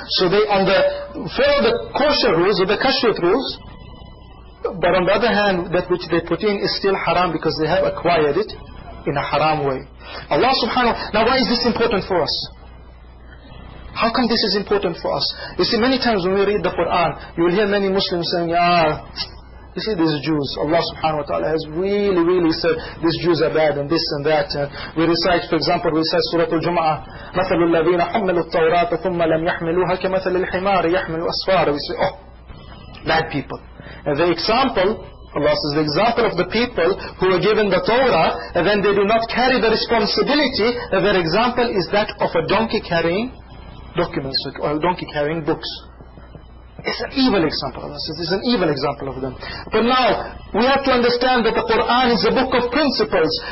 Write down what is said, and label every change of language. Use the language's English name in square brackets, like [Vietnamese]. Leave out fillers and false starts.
[English] So they on the follow the kosher rules or the kashrut rules, but on the other hand, that which they put in is still haram because they have acquired it in a haram way. Allah subhanahu wa ta'ala, now why is this important for us? How come this is important for us? You see, many times when we read the Quran, you will hear many Muslims saying, ah, you see these Jews, Allah subhanahu wa ta'ala has really, really said, these Jews are bad and this and that. And we recite, for example, we recite Surah Al-Jum'ah, [Arabic] مَثَلُ الَّذِينَ حَمَّلُوا التَّوْرَاةَ ثُمَّ لَمْ يَحْمِلُوهَا كَمَثَلِ الْحِمَارِ يَحْمِلُوا أَسْفَارَ. [English] We say, oh, bad people. And the example, Allah says, the example of the people who were given the Torah, and then they do not carry the responsibility, and their example is that of a donkey carrying documents, or a donkey carrying books. It's an evil example of us. It's an evil example of them. But now, we have to understand that the Quran is a book of principles.